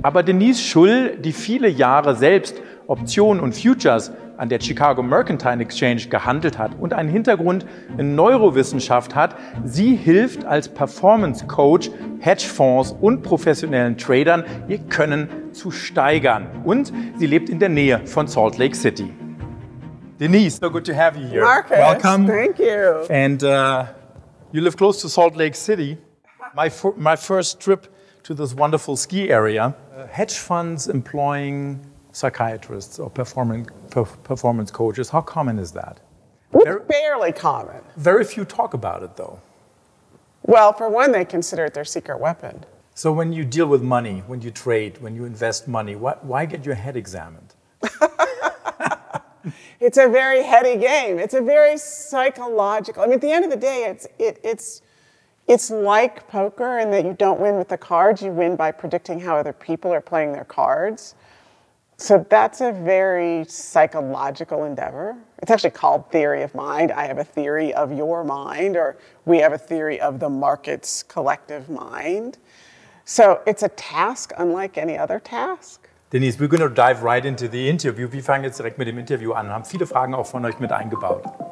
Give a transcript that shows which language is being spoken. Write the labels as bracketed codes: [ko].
[de] Aber Denise Schull, die viele Jahre selbst Optionen und Futures an der Chicago Mercantile Exchange gehandelt hat und einen Hintergrund in Neurowissenschaft hat, sie hilft als Performance Coach Hedgefonds und professionellen Tradern, ihr Können zu steigern. Und sie lebt in der Nähe von Salt Lake City. [en] Denise, so good to have you here. Marcus, welcome. Thank you. And you live close to Salt Lake City. My first trip to this wonderful ski area. Hedge funds employing psychiatrists or performance coaches. How common is that? It's barely common. Very few talk about it, though. Well, for one, they consider it their secret weapon. So when you deal with money, when you trade, when you invest money, why get your head examined? It's a very heady game. It's a very psychological. I mean, at the end of the day, It's like poker in that you don't win with the cards, you win by predicting how other people are playing their cards. So that's a very psychological endeavor. It's actually called theory of mind. I have a theory of your mind, or we have a theory of the market's collective mind. So it's a task unlike any other task. Denise, we're going to dive right into the interview. [de] Wir fangen jetzt direkt mit dem Interview an und haben viele Fragen auch von euch mit eingebaut.